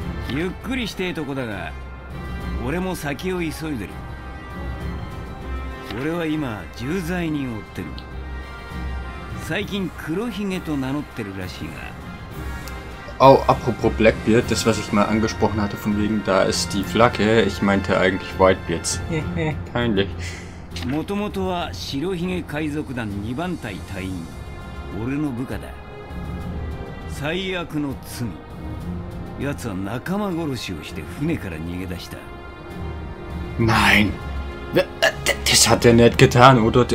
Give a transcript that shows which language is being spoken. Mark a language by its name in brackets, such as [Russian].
[Japanese] ゆっくりしてえとこだが、俺も先を急いでる。俺は今重罪人を追ってる。最近黒ひげと名乗ってるらしいが。あ、apropos [German] Blackbeard, das was ich mal angesprochen hatte von wegen da ist die Flagge, ich meinte eigentlich Whitebeards. [Japanese] もともとは白ひげ海賊団2番隊隊員、俺の部下だ。最悪の罪。奴は仲間殺しをして船から逃げ出した。 [German] Nein! Das hat er nicht getan, oder?